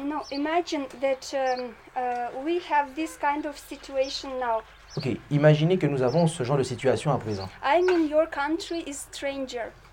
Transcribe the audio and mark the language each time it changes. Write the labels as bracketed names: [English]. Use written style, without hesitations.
[English] Imagine that we have this kind of situation now. [French] Ok, imaginez que nous avons ce genre de situation à présent. [English] I mean your country is stranger.